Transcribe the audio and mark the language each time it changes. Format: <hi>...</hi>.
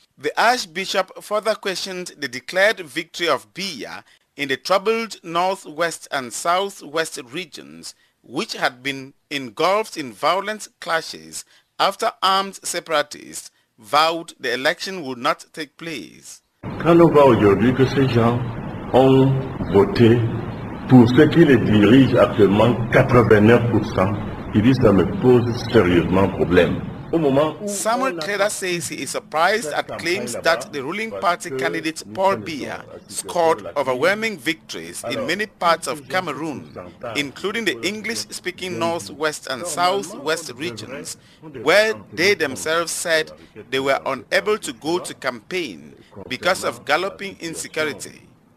<en>The Archbishop further questioned the declared victory of Biya in the troubled northwest and southwest regions, which had been engulfed in violent clashes after armed separatists vowed the election would not take place.</en> <fr>Quand on voit aujourd'hui que ces gens ont voté pour ce qui les dirige actuellement 89%, il dit ça me pose sérieusement problème.</fr> <en>Samuel Kleda says he is surprised at claims that the ruling party candidate Paul Biya scored overwhelming victories in many parts of Cameroon, including the English-speaking northwest and southwest regions, where they themselves said they were unable to go to campaign because of galloping insecurity.</en>